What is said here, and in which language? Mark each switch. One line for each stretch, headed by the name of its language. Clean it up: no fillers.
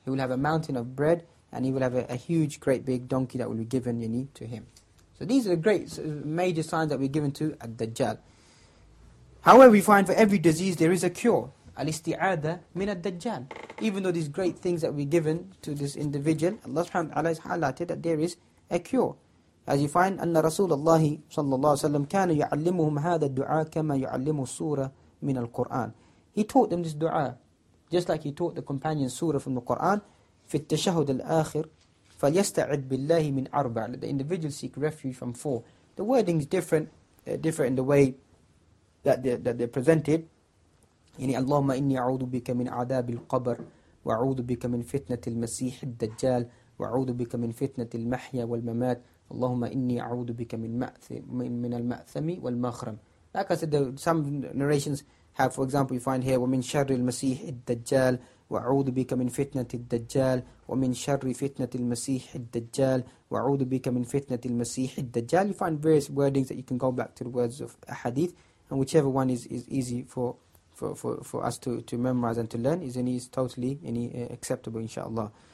English: He will have a mountain of bread, and he will have a huge, great, big donkey that will be given to him. So these are the great, major signs that we're given to al-Dajjal. However, we find for every disease there is a cure.
Arabic: Al-isti'adha min al-Dajjal.
English: Even though these great things that we're given to this individual, Allah subhanahu wa ta'ala has highlighted that there is a cure. As you find,
Arabic: أن رسول الله صلى الله عليه وسلم كان يعلمهم هذا الدعاء كما يعلم السورة من القرآن.
English: He taught them this dua, just like he taught the companion surah from the Quran.
Arabic: في التشهد الآخر فليستعد بالله من أربع.
English: Let the individual seek refuge from four. The wording is different, different in the way that they're presented.
Arabic: اللهم إني أعوذ بك من عذاب القبر وأعوذ بك من فتنة المسيح الدجال وأعوذ بك من فتنة المحيا والممات اللهم إني أعوذ بك من المأثم والمخرم.
English: Like I said, some narrations have, for example, you find here,
Arabic: وَمِن شَرِّ الْمَسِيحِ الدَّجَّالِ وَعُوذُ بِكَ مِن فِتْنَةِ الدَّجَّالِ وَمِن شَرِّ فِتْنَةِ الْمَسِيحِ الدَّجَّالِ وَعُوذُ بِكَ مِن فِتْنَةِ الْمَسِيحِ الدَّجَّالِ.
English: You find various wordings that you can go back to the words of a hadith, and whichever one is easy for us to memorize and to learn is totally acceptable, inshallah.